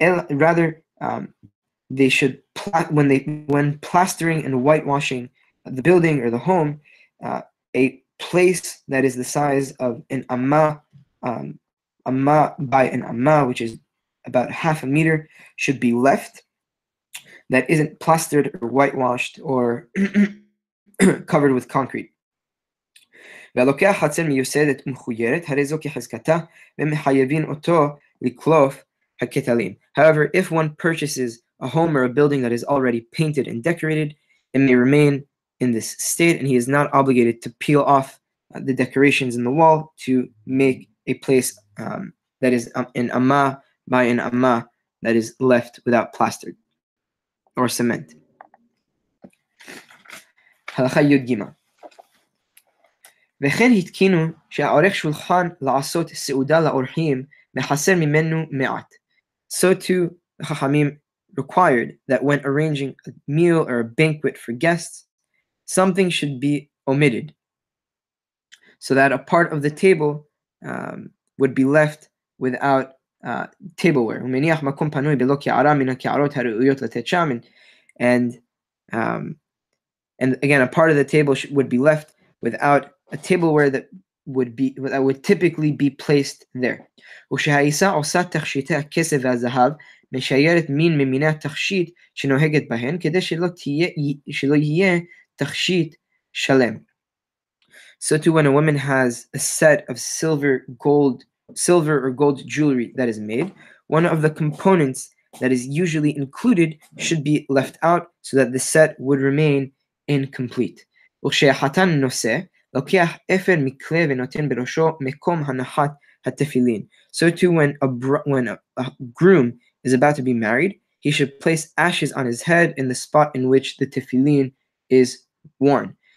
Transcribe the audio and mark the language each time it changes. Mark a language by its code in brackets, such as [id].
[en] Rather, they should, when plastering and whitewashing the building or the home, a place that is the size of an amma, amma by an amma, which is about half a meter, should be left, that isn't plastered or whitewashed or covered with concrete. [he] ולוקח חצר מיוסדת ומחוירת, הרי זו כחזקתה, ומחייבים אותו לקלוף הקטלים. [en] However, if one purchases a home or a building that is already painted and decorated, it may remain in this state, and he is not obligated to peel off the decorations in the wall to make a place that is an amma by an amma that is left without plaster or cement. [he] הלכה י' ג' וכן התקינו שהעורך שולחן לעשות סעודה לאורחים מחסר ממנו מעט. [en] So too, the Chachamim required that when arranging a meal or a banquet for guests, something should be omitted, so that a part of the table would be left without tableware. [he] ומניח מקום פנוי בלא קערה מן הקערות הראויות לתת שם. [en] And again, a part of the table would be left without a tableware that would typically be placed there. [he] ושהאישה עושה תכשיטי הכסף והזהב, משיירת מין ממיני התכשיט שנוהגת בהן, כדי שלא יהיה תכשיט שלם. [en] So too, when a woman has a set of silver or gold jewelry that is made, one of the components that is usually included should be left out so that the set would remain incomplete. [he] וכשהחתן נושא, לוקח אפר מכלי ונותן בראשו מקום הנחת התפילין. [en] So too, when a groom is about to be married, he should place ashes on his head in the spot in which the tefillin is worn.